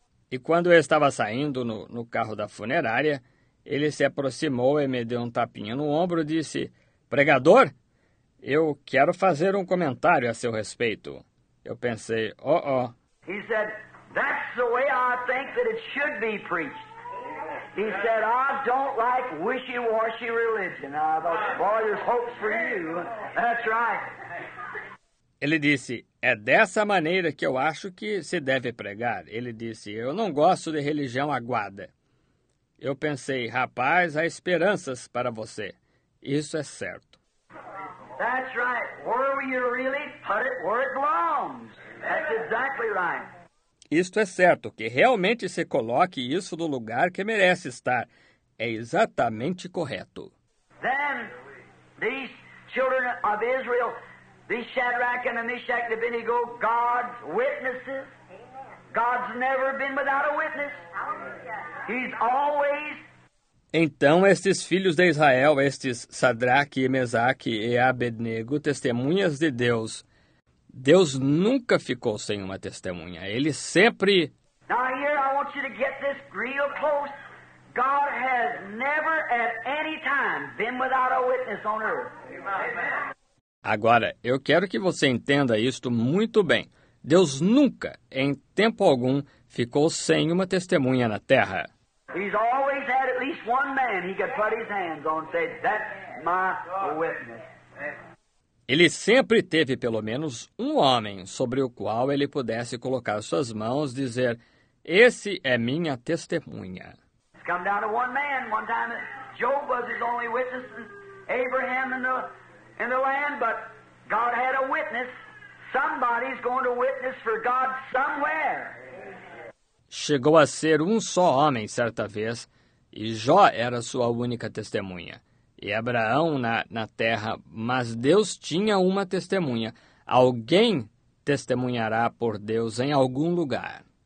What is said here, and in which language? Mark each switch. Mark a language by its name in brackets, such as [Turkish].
[Portuguese] E quando eu estava saindo no carro da funerária, ele se aproximou e me deu um tapinha no ombro e disse, "Pregador, eu quero fazer um comentário a seu respeito." Eu pensei, oh. [English] He said, "That's the way I think that it should be preached." He said, "I don't like wishy-washy religion. Boy, there's hope for you." That's right. [Portuguese] Ele disse, "É dessa maneira que eu acho que se deve pregar." Ele disse, "Eu não gosto de religião aguada." Eu pensei, "Rapaz, há esperanças para você. Isso é certo." [English] That's right. Where will you really put it where it belongs? That's exactly right. [Portuguese] Isto é certo, que realmente se coloque isso no lugar que merece estar. É exatamente correto. [English] Then, these children of Israel, these Shadrach and Meshach and Abednego, God's witnesses. God's never been without a witness. He's always... [Portuguese] Então, estes filhos de Israel, estes Sadraque, Mesaque e Abednego, testemunhas de Deus, Deus nunca ficou sem uma testemunha. Ele sempre... [English] Now here I want you to get this real close. God has never at any time been without a witness on earth. [Portuguese] Agora, eu quero que você entenda isto muito bem. Deus nunca, em tempo algum, ficou sem uma testemunha na terra. [English] He's always had at least one man he could put his hands on and say, "That's my witness." [Portuguese] Ele sempre teve pelo menos um homem sobre o qual ele pudesse colocar suas mãos e dizer, "Esse é minha testemunha." [English] It's come down to one man. One time Job was his only witness, and Abraham in the land, but God had a witness. Somebody's going to witness for God somewhere. [Portuguese] Chegou a ser um só homem certa vez, e Jó era sua única testemunha. E Abraão na terra, mas Deus tinha uma testemunha. Alguém testemunhará por Deus em algum lugar.